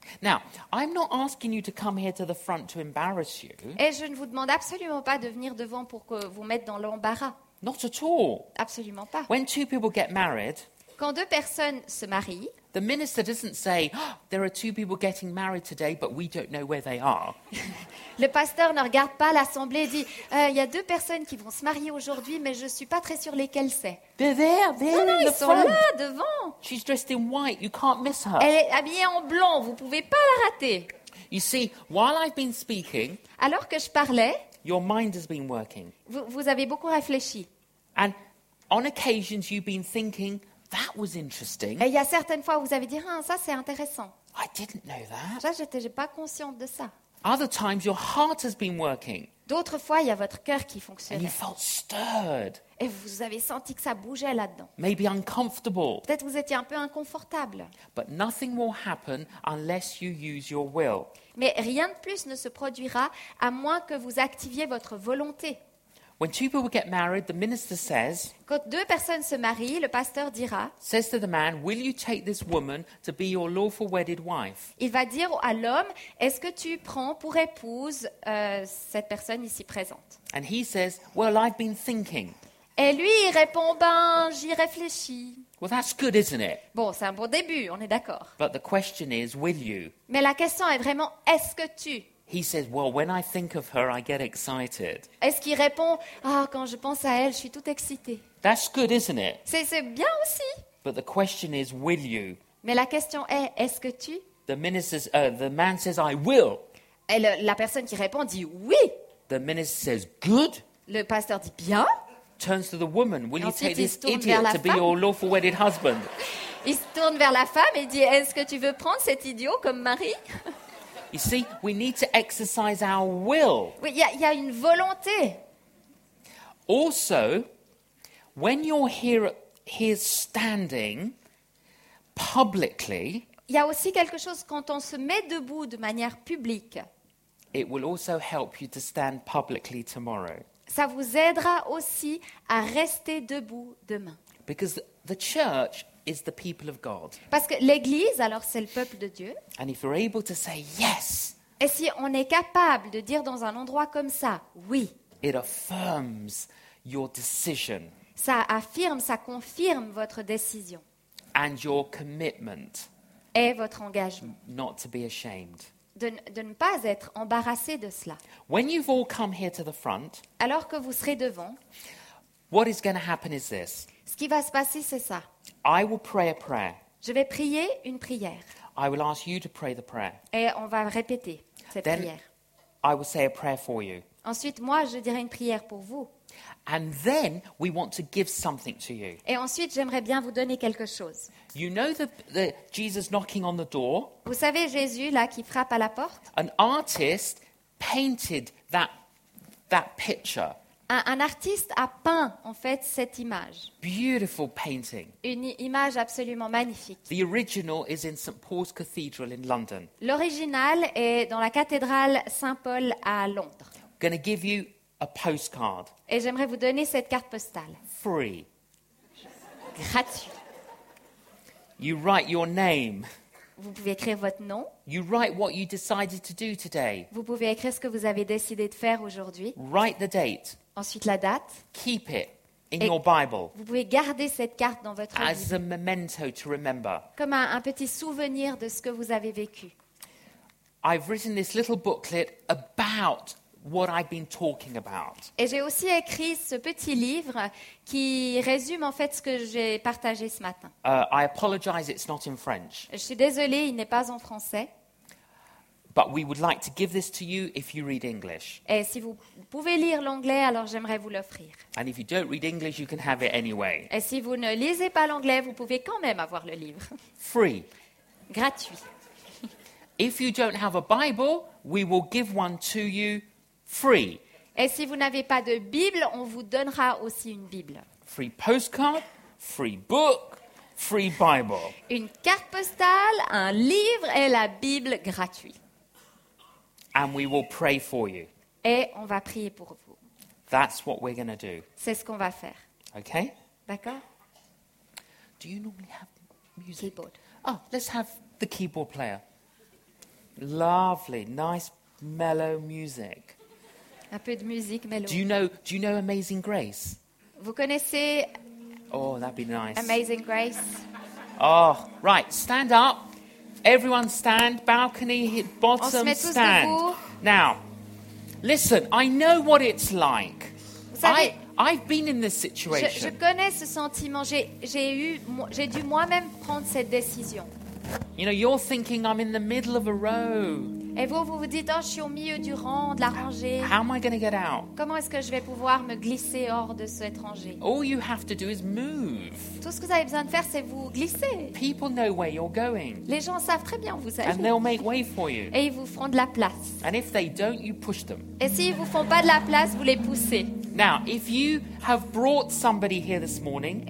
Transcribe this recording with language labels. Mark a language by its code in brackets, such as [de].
[en] Now, I'm not asking you to come here to the front to embarrass you. [fr] Et je ne vous demande absolument pas de venir devant pour que vous mettre dans l'embarras. [en] Not at all. [fr] Absolument pas. [en] When two people get married. [fr] Quand deux personnes se marient. [en] The minister doesn't say, oh, there are two people getting married today, but we don't know where they are. [fr] Le pasteur ne regarde pas l'assemblée et dit, il y a deux personnes qui vont se marier aujourd'hui, mais je ne suis pas très sûre lesquelles c'est. [en] They're there, they're [fr] non, non, [en] in [fr] ils [en] the [fr] sont [en] front. [fr] Là, devant. [en] She's dressed in white, you can't miss her. [fr] Elle est habillée en blanc, vous ne pouvez pas la rater. [en] You see, while I've been speaking, [fr] alors que je parlais, [en] your mind has been working. [fr] Vous avez beaucoup réfléchi. [en] And on occasions, you've been thinking, that was interesting. [fr] Et il y a certaines fois où vous avez dit, ah, ça c'est intéressant. [en] I didn't know that. [fr] Ça, j'étais pas consciente de ça. [en] Other times, your heart has been working. [fr] D'autres fois, il y a votre cœur qui fonctionne. [en] And you felt stirred. [fr] Et vous avez senti que ça bougeait là-dedans. [en] Maybe uncomfortable. [fr] Peut-être vous étiez un peu inconfortable. [en] But nothing will happen unless you use your will. [fr] Mais rien de plus ne se produira à moins que vous activiez votre volonté. [en] When two people get married, the minister says. [fr] Quand deux personnes se marient, le pasteur dira. [en] Says to the man, "Will you take this woman to be your lawful wedded wife?" [fr] Il va dire à l'homme, "Est-ce que tu prends pour épouse cette personne ici présente?" [en] And he says, "Well, I've been thinking." [fr] Et lui il répond, "Ben, j'y réfléchis." [en] Well, that's good, isn't it? [fr] Bon, c'est un bon début, on est d'accord. [en] But the question is, will you? [fr] Mais la question est vraiment, est-ce que tu? [en] He says, "Well, when I think of her, I get excited." [fr] Est-ce qu'il répond, "Ah, oh, quand je pense à elle, je suis tout excité." [en] That's good, isn't it? [fr] C'est bien aussi. [en] But the question is, will you? [fr] Mais la question est, est-ce que tu? [en] The man says, "I will." [fr] Et la personne qui répond dit oui. [en] The minister says, "Good." [fr] Le pasteur dit bien. [en] Turns to the woman, "Will [fr] ensuite, [en] you take this idiot to [fr] femme. [en] Be your lawful wedded husband?" [fr] Il se tourne vers la femme et dit, "Est-ce que tu veux prendre cet idiot comme mari?" [en] You see, we need to exercise our will. [fr] Oui, il y a une volonté. [en] Also, when you're here standing publicly, [fr] il y a aussi quelque chose quand on se met debout de manière publique. [en] It will also help you to stand publicly tomorrow. [fr] Ça vous aidera aussi à rester debout demain. [en] Because the church is the people of God. [fr] Parce que l'église alors c'est le peuple de Dieu. [en] And if you're able to say yes. [fr] Et si on est capable de dire dans un endroit comme ça oui. [en] It affirms your decision. [fr] Ça affirme, ça confirme votre décision. [en] And your commitment. [fr] Et votre engagement. [en] Not to be ashamed. [fr] De ne pas être embarrassé de cela. [en] When you've all come here to the front. [fr] Alors que vous serez devant. [en] What is going to happen is this. [fr] Ce qui va se passer c'est ça. [en] I will pray a prayer. [fr] Je vais prier une prière. [en] I will ask you to pray the prayer. [fr] Et on va répéter cette [en] Then [fr] prière. [en] I will say a prayer for you. [fr] Ensuite, moi, je dirai une prière pour vous. [en] And then we want to give something to you. [fr] Et ensuite, j'aimerais bien vous donner quelque chose. [en] You know the Jesus knocking on the door? [fr] Vous savez Jésus là qui frappe à la porte? [en] An artist painted that picture. [fr] Un artiste a peint en fait cette image. [en] Beautiful painting. [fr] Une image absolument magnifique. [en] The original is in St Paul's Cathedral in London. [fr] L'original est dans la cathédrale Saint-Paul à Londres. [en] Going to give you a postcard. [fr] Et j'aimerais vous donner cette carte postale. [en] Free. [fr] Gratuit. [en] You write your name. [fr] Vous pouvez écrire votre nom. [en] You write what you decided to do today. [fr] Vous pouvez écrire ce que vous avez décidé de faire aujourd'hui. [en] Write the date. [fr] Ensuite la date. [en] Keep it in your Bible. [fr] Vous pouvez garder cette carte dans votre [en] Bible. As a memento to remember. [fr] Comme un petit souvenir de ce que vous avez vécu. [en] I've written this little booklet about what I've been talking about. [fr] Et j'ai aussi écrit ce petit livre qui résume en fait ce que j'ai partagé ce matin. [en] I apologize, it's not in French. [fr] Je suis désolée, il n'est pas en français. [en] But we would like to give this to you if you read English. [fr] Et si vous pouvez lire l'anglais, alors j'aimerais vous l'offrir. [en] And if you don't read English, you can have it anyway. [fr] Et si vous ne lisez pas l'anglais, vous pouvez quand même avoir le livre. [en] Free. [fr] Gratuit. [en] If you don't have a Bible, we will give one to you. Free. [fr] Et si vous n'avez pas de Bible, on vous donnera aussi une Bible. [en] Free postcard, free book, free Bible. [fr] Une carte postale, un livre et la Bible gratuite. [en] And we will pray for you. [fr] Et on va prier pour vous. [en] That's what we're going to do. [fr] C'est ce qu'on va faire. [en] Okay? [fr] D'accord? [en] Do you normally have music? Keyboard. Oh, let's have the keyboard player. Lovely, nice, mellow music. [fr] Un peu de musique mélodique. [en] Do you know Amazing Grace? [fr] Vous connaissez? [en] Oh, that'd be nice. Amazing Grace. Oh, right. Stand up. Everyone stand. Balcony hit bottom. [fr] On se met tous [en] stand. [fr] Debout. [en] Now, listen, I know what it's like. [fr] Vous savez, [en] I've been in this situation. [fr] Je connais ce sentiment. J'ai dû moi-même prendre cette décision. [en] You know, you're thinking I'm in the middle of a row. [fr] Et vous vous dites, oh, je suis au milieu du rang, de la rangée. [en] How am I going to get out? [fr] Comment est-ce que je vais pouvoir me glisser hors de ce rangée? [en] All you have to do is move. [fr] Tout ce que vous avez besoin de faire, c'est vous glisser. [en] People know where you're going. [fr] Les gens savent très bien où vous allez. [en] And they'll make way for you. [fr] Et ils vous feront de la place. [en] And if they don't, you push them. [fr] Et s'ils ne vous font pas de la place, vous les poussez. [en] Now, if you have brought somebody here this morning,